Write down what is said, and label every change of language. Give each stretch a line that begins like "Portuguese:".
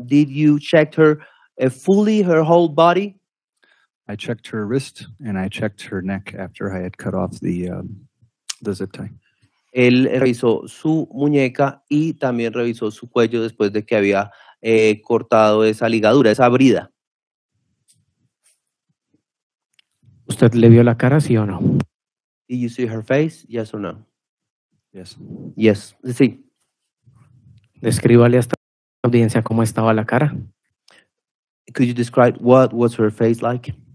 English: Did you check her fully, her whole body? I checked her wrist and I checked her neck after I had cut off the zip tie.
Spanish: Él revisó su muñeca y también revisó su cuello después de que había cortado esa ligadura, esa brida. ¿Usted le vio la cara, sí o no?
English: Did you see her face, yes or no? Yes. Yes,
Spanish: sí. Descríbale a esta audiencia cómo estaba la cara.
English: Could you describe what was her face like?